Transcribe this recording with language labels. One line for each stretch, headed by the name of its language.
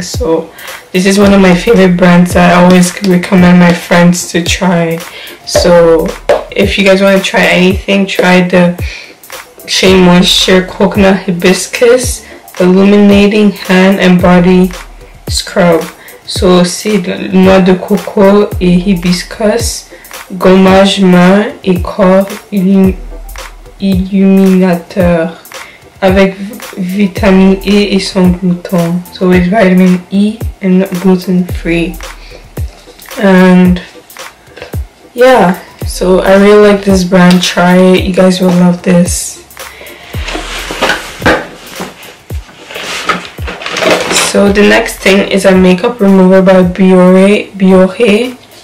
English: So this is one of my favorite brands that I always recommend my friends to try. So if you guys want to try anything, try the Shea Moisture Coconut Hibiscus Illuminating Hand and Body Scrub.
French: So c'est noix de coco et hibiscus, gommage main et corps illuminateur avec vitamine E et sans gluten.
English: So it's vitamin E and gluten free. And yeah, so I really like this brand. Try it, you guys will love this. So the next thing is a makeup remover by Biore.